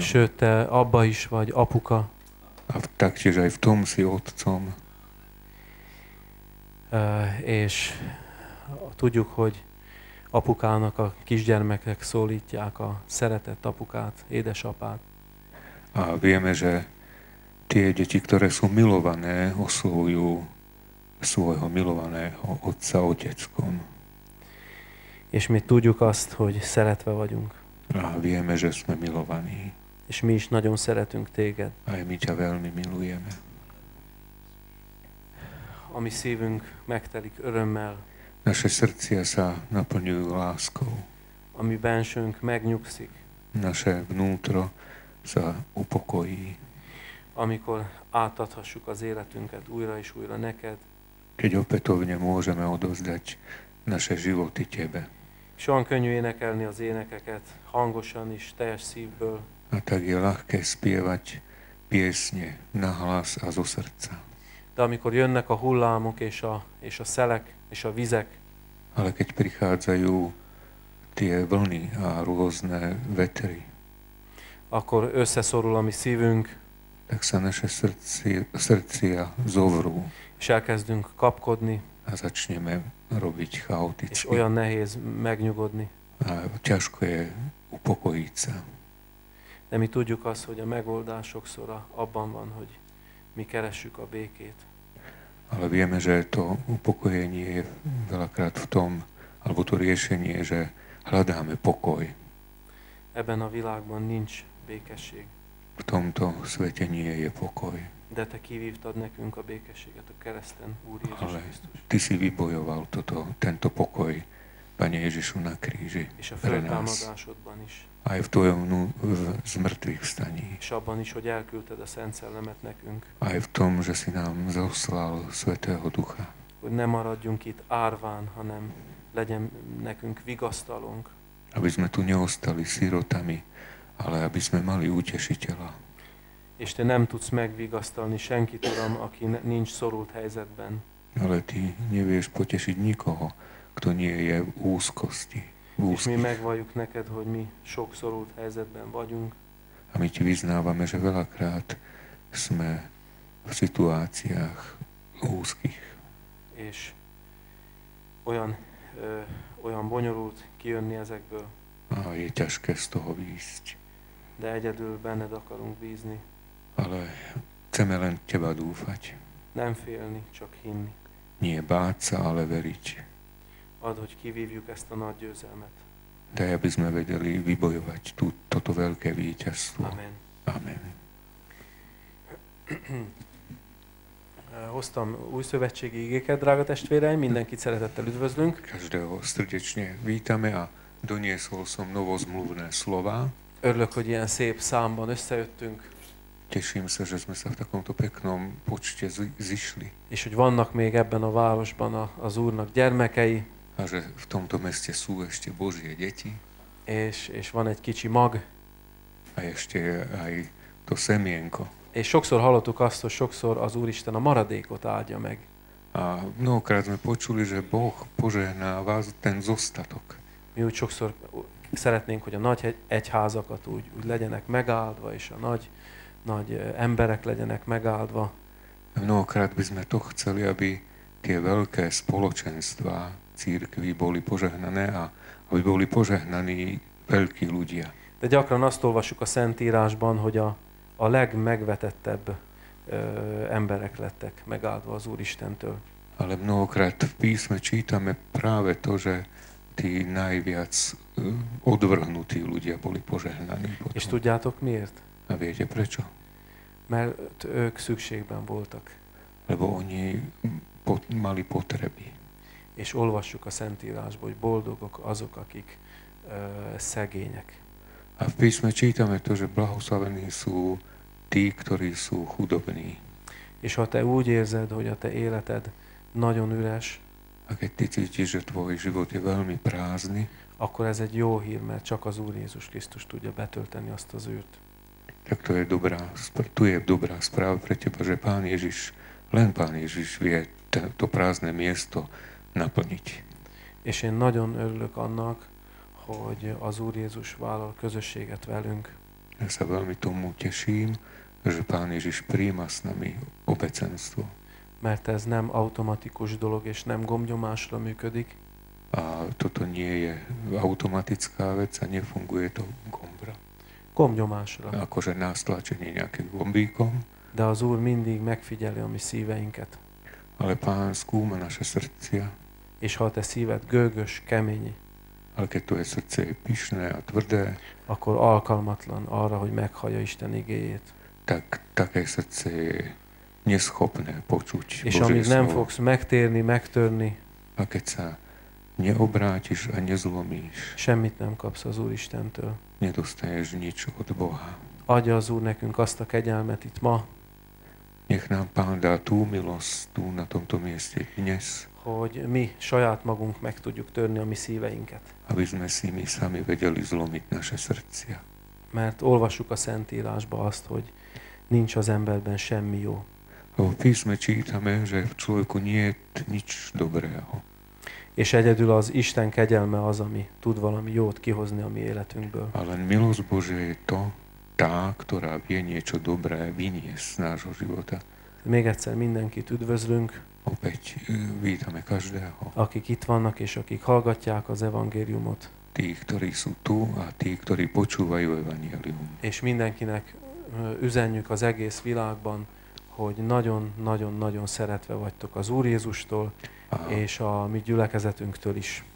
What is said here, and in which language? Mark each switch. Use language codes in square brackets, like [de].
[hu] Sőt, Te abba is vagy, Apuka. [sk] A taktiež aj v tom si Otcom. [hu] És tudjuk, hogy Apukának a kisgyermekek szólítják a szeretett Apukát, édesapát. [sk] A vieme, že tie deti, ktoré sú milované, oslovujú svojho milovaného Otca Oteckom. [hu] És mi tudjuk azt, hogy szeretve vagyunk. [sk] A vieme, že sme milovaní. [hu] És mi is nagyon szeretünk Téged. [sk] A mi ťa veľmi milujeme. [hu] A mi szívünk megtelik örömmel. [sk] Naše srdcia sa naplňujú láskou. [hu] A mi bensőnk megnyugszik. [sk] Naše vnútro sa upokojí. [hu] Amikor átadhassuk az életünket újra és újra Neked. [sk] Keď opätovne môžeme odovzdať naše životy Tebe. [hu] És olyan könnyű énekelni az énekeket hangosan is, teljes szívből. [sk] A tak je ľahké spievať piesne na hlas a zo srdca. [hu] De amikor jönnek a hullámok és a szelek és a vizek. [sk] Ale keď prichádzajú tie vlny a rôzne vetry. [hu] Akkor összeszorul a mi szívünk. [sk] Tak sa naše srdcia zovrú. [hu] És elkezdünk kapkodni. [sk] A začneme robiť chaoticky. [hu] És olyan nehéz megnyugodni. [sk] A ťažko je upokojiť sa. [hu] De mi tudjuk azt, hogy a megoldás sokszor abban van, hogy mi keressük a békét. [sk] Ale vieme, že to upokojenie je veľakrát v tom, alebo to riešenie, že hľadáme pokoj. [hu] Ebben a világban nincs békesség. [sk] V tomto svete nie je pokoj. [hu] De Te kivívtad nekünk a békességet a kereszten, Úr Jézus [sk] Ale Krisztus. Ty si vybojoval tento pokoj, Pane Ježišu, na kríži. [hu] És a feltámadásodban is. [sk] Aj v Tvojom zmrtvých staní. [hu] És abban is, hogy elküldted a Szent Szellemet nekünk. [sk] Aj v tom, že si nám zoslal Svetého Ducha. [hu] Hogy ne maradjunk itt árván, hanem legyen nekünk vigasztalónk. [sk] Aby sme tu neostali sírotami, ale aby sme mali útešiteľa. [hu] És Te nem tudsz megvigasztalni senkit, Uram, aki nincs szorult helyzetben. [sk] Ale Ty nevieš potešiť nikoho, kto nie je v úzkosti. [hu] És mi megvalljuk Neked, hogy mi sok szorult helyzetben vagyunk. [sk] A mi Ti vyznávame, že veľakrát sme v situáciách úzkých. [hu] És olyan bonyolult kijönni ezekből. [sk] A je ťažké z toho vyjsť. [hu] De egyedül benned akarunk bízni. [sk] Ale chceme len Teba dúfať. [hu] Nem félni, csak hinni. [sk] Nie báť sa, ale veriť. [hu] Ad, hogy kivívjuk ezt a nagy győzelmet. [sk] De aby sme vedeli vybojovať toto veľké víťazstvo. [hu] Amen. [sk] Amen. [hu] Hoztam új szövetségi igéket, drága testvéreim, mindenkit szeretettel üdvözlünk. [sk] Každého srdečne vítame a doniesol som novozmluvné slova. [hu] Örülök, hogy ilyen szép számban összejöttünk. [sk] Teším sa, že sme sa v takomto peknom počte zišli. [hu] És hogy vannak még ebben a városban az Úrnak gyermekei. [sk] A že v tomto meste sú ešte Božie deti. [hu] És van egy kicsi mag. [sk] A ešte aj to semienko. [hu] És sokszor hallottuk azt, hogy sokszor az Úristen a maradékot áldja meg. [sk] A mnohokrát sme počuli, že Boh požehná vás ten zostatok. [hu] Mi úgy sokszor szeretnénk, hogy a nagy egyházakat úgy legyenek megáldva, és a nagy emberek legyenek megáldva. [sk] Mnohokrát by sme to chceli, aby tie veľké spoločenstvá církvy boli požehnané a aby boli požehnaní veľkí ľudia. [hu] De gyakran azt olvasjuk a Szentírásban, hogy a legmegvetettebb emberek lettek megáldva az Úristentől. [sk] Ale mnohokrát v písme čítame práve to, že tí najviac odvrhnutí ľudia boli požehnaní. Potom. [hu] És tudjátok miért? [sk] A viete prečo? [hu] Mert ők szükségben voltak. [sk] Lebo oni mali potreby. [hu] És olvassuk a Szentírásban, hogy boldogok azok, akik szegények. [sk] A v písme čítame to, že blahoslavení sú tí, ktorí sú chudobní. [hu] És ha te úgy érzed, hogy a te életed nagyon üres, [sk] a keď ty cítiš, že tvoj život je veľmi prázdny, [hu] akkor ez egy jó hír, mert csak az Úr Jézus Krisztus tudja betölteni azt az űrt. [sk] Tak to je dobrá, tu je dobrá správa pre teba, že Pán Ježiš, len Pán Ježiš vie to prázdne miesto naplniť. [hu] És én nagyon örülök annak, hogy az Úr Jézus vállal közösséget velünk. [sk] Ja sa veľmi tomu teším, že Pán Ježiš prijíma s nami obecenstvo. [hu] Mert ez nem automatikus dolog, és nem gombnyomásra működik. [sk] A toto nie je automatická vec a nefunguje to gombra. [hu] Gombnyomásra. [sk] Akože nástlačenie nejakým gombíkom. [hu] De az Úr mindig megfigyeli a mi szíveinket. [sk] Ale Pán skúma naše srdcia. [hu] És ha te szíved gőgös, kemény, [sk] ale keď tvoje srdce je pyšné a tvrdé, [hu] akkor alkalmatlan arra, hogy meghallja Isten igéjét. [sk] Tak také srdce je neschopné počuť Božie slovo. [hu] És amíg nem fogsz megtérni, megtörni, [sk] a keď sa neobrátiš a nezlomíš, [hu] semmit nem kapsz az Úr Istentől. [sk] Nedostaneš nič od Boha. [hu] Adja az Úr nekünk azt a kegyelmet itt ma. [sk] Nech nám Pán dá tú milosť tú na tomto mieste dnes, [hu] hogy mi saját magunk meg tudjuk törni a mi szíveinket. [sk] Aby sme si my sami vedeli zlomiť naše srdcia. [hu] Mert olvasuk a Szentírásba azt, hogy nincs az emberben semmi jó. [sk] Lebo v písme čítame, že v človeku nie je nič dobrého. [hu] És egyedül az Isten kegyelme az, ami tud valami jót kihozni a mi életünkből. [sk] A len milosť Božia je to, tá, ktorá vie niečo dobré vyniesť z nášho života. [hu] Még egyszer mindenkit üdvözlünk. [sk] Opäť vítame každého. [hu] Akik itt vannak és akik hallgatják az evangéliumot. [sk] Tí, ktorí sú tu a tí, ktorí počúvajú evangélium. [hu] És mindenkinek üzenjük az egész világban, hogy nagyon-nagyon-nagyon szeretve vagytok az Úr Jézustól és a mi gyülekezetünktől is.